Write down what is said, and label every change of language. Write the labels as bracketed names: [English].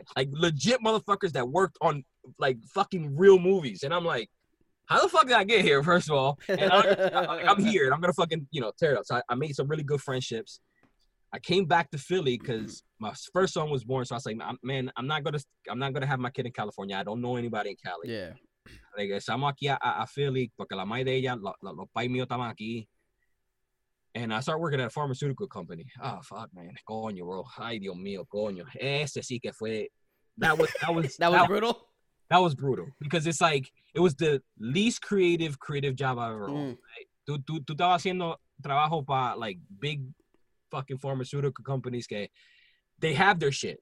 [English] I had like legit motherfuckers that worked on like fucking real movies. And I'm like, how the fuck did I get here, first of all? And I'm here, and I'm going to fucking, you know, tear it up. So I made some really good friendships. I came back to Philly because my first son was born. So I was like, man, I'm not gonna have my kid in California. I don't know anybody in Cali. Yeah. [Spanish] Like, estamos aquí a Philly porque la madre de ella, los pais míos estaban aquí. [English] And I started working at a pharmaceutical company. Oh, fuck, man. [Spanish] Coño, bro. Ay, Dios mío, coño. Ese sí que fue. [English] That was brutal? That was brutal because it's like, it was the least creative job I've ever owned. [Spanish] Tú estabas haciendo trabajo para [English] like big fucking pharmaceutical companies [Spanish] que [English] they have their shit.